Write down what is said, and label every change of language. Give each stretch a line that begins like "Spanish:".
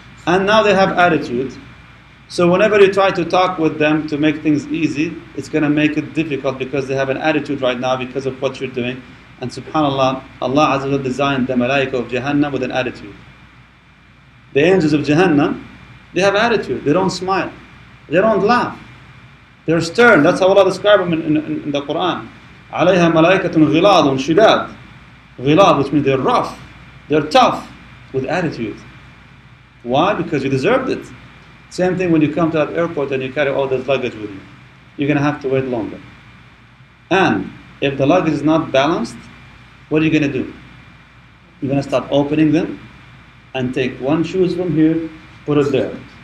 English: And now they have attitude. So whenever you try to talk with them to make things easy, it's going to make it difficult because they have an attitude right now because of what you're doing. And subhanAllah, Allah Azza wa Jalla designed the malaika of Jahannam with an attitude. The angels of Jahannam, they have attitude. They don't smile. They don't laugh. They're stern. That's how Allah describes them in the Quran.
Arabic: عَلَيْهَا مَلَائِكَةٌ غِلَاظٌ شِدَادٌ غِلَاظٌ,
English: which means they're rough. They're tough with attitude. Why? Because you deserved it. Same thing when you come to that airport and you carry all this luggage with you. You're going to have to wait longer. And if the luggage is not balanced, what are you going to do? You're going to start opening them and take one shoe from here, put it there.